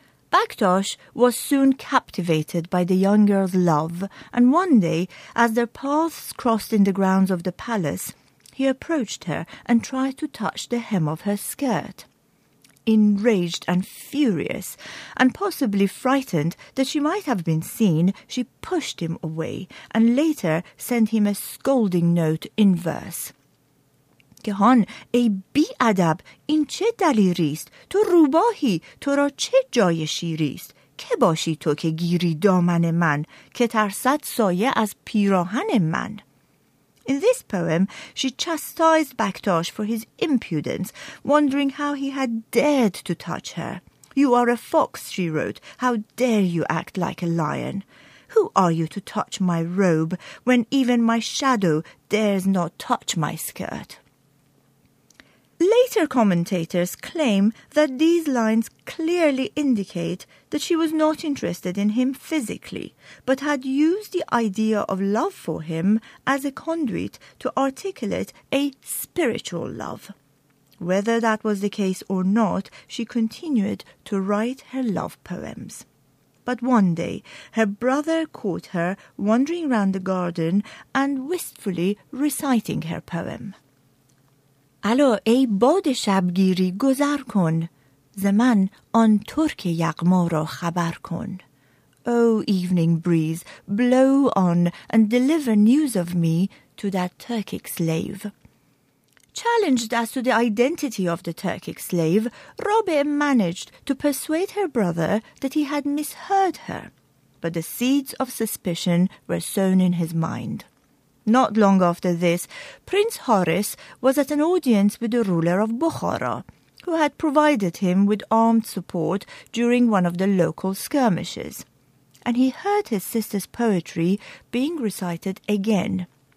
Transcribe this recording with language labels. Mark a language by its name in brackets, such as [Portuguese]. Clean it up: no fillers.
[English] Baktosh was soon captivated by the young girl's love, and one day, as their paths crossed in the grounds of the palace, he approached her and tried to touch the hem of her skirt. Enraged and furious, and possibly frightened that she might have been seen, she pushed him away and later sent him a scolding note in verse. [Persian] جهان ای بی ادب این چه دلیری است تو روباهی تو را چه جای شیری است که باشی تو که گیری دامن من که ترسد سایه از پیراهن من. [English] In this poem, she chastised Bakhtash for his impudence, wondering how he had dared to touch her. You are a fox, she wrote. How dare you act like a lion? Who are you to touch my robe when even my shadow dares not touch my skirt? Later commentators claim that these lines clearly indicate that she was not interested in him physically, but had used the idea of love for him as a conduit to articulate a spiritual love. Whether that was the case or not, she continued to write her love poems. But one day, her brother caught her wandering round the garden and wistfully reciting her poem. [Persian] الا ای باد شبگیری گذر کن، زمن آن ترک یغما را خبر کن. [English] O evening breeze, blow on and deliver news of me to that Turkic slave. Challenged as to the identity of the Turkic slave, Rabe managed to persuade her brother that he had misheard her, but the seeds of suspicion were sown in his mind. Not long after this, Prince Haris was at an audience with the ruler of Bukhara, who had provided him with armed support during one of the local skirmishes, and he heard his sister's poetry being recited again.